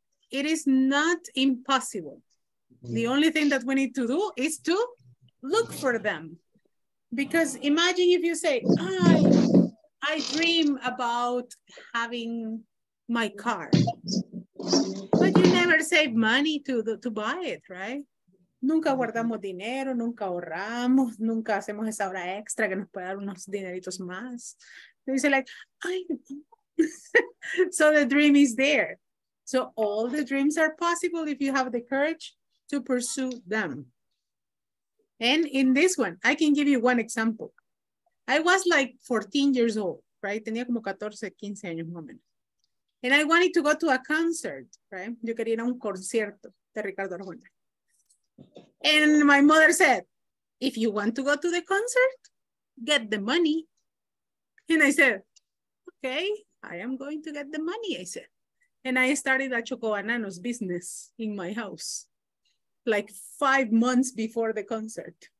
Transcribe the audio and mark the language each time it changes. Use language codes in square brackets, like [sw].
[en] It is not impossible. The only thing that we need to do is to look for them. Because imagine if you say, I dream about having my car, but you never save money to buy it, right? [es] Nunca guardamos dinero, nunca ahorramos, nunca hacemos esa hora extra que nos puede dar unos dineritos más. [en] They say like, I so the dream is there. So all the dreams are possible if you have the courage to pursue them. And in this one, I can give you one example. I was like 14 years old, right? [es] Tenía como 14, 15 años más o menos. [en] And I wanted to go to a concert, right? [es] Yo quería ir a un concierto de Ricardo Arjona. [en] And my mother said, if you want to go to the concert, get the money. And I said, okay, I am going to get the money, I said. And I started a Choco Bananos business in my house, like 5 months before the concert.